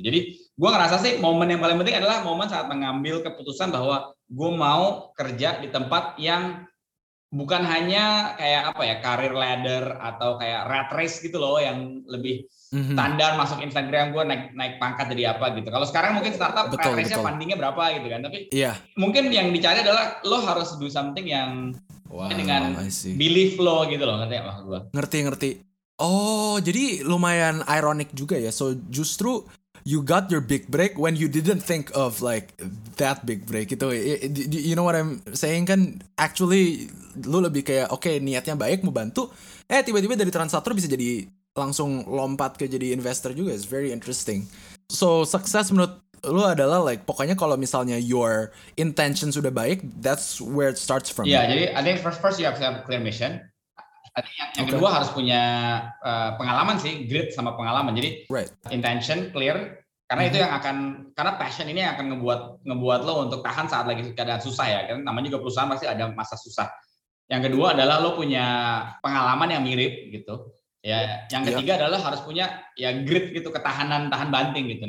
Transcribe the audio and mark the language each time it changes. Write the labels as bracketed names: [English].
[Indonesian] Jadi gue ngerasa sih momen yang paling penting adalah momen saat mengambil keputusan bahwa gue mau kerja di tempat yang bukan hanya kayak apa ya, career ladder atau kayak rat race gitu loh, yang lebih standar masuk Instagram gue naik pangkat jadi apa gitu. Kalau sekarang mungkin startup rat race-nya fundingnya berapa gitu kan, tapi mungkin yang dicari adalah lo harus [English] do something [Indonesian] yang dengan belief lo gitu loh. Ngerti apa gue? Ngerti. Oh, jadi lumayan ironic juga ya. [English] So [Indonesian] justru [English] you got your big break when you didn't think of like that big break. [Indonesian] Itu, [English] you know what I'm saying [Indonesian] kan? [English] Actually, [Indonesian] lu lebih kayak [English] okay, [Indonesian] niatnya baik mau bantu. Tiba-tiba dari translator bisa jadi langsung lompat ke jadi investor juga. [English] It's very interesting. So success [Indonesian] menurut lu adalah [English] like [Indonesian] pokoknya kalau misalnya [English] your intention [Indonesian] sudah baik, [English] that's where it starts from. Yeah, [Indonesian] jadi [English] I think first you have to have a clear mission. [Indonesian] Yang kedua harus punya pengalaman sih, grit sama pengalaman. Jadi intention clear, karena itu yang akan, karena passion ini yang akan ngebuat lo untuk tahan saat lagi keadaan susah ya. Karena namanya juga perusahaan pasti ada masa susah. Yang kedua adalah lo punya pengalaman yang mirip gitu. Ya, yang ketiga adalah harus punya ya grit gitu, ketahanan, tahan banting gitu.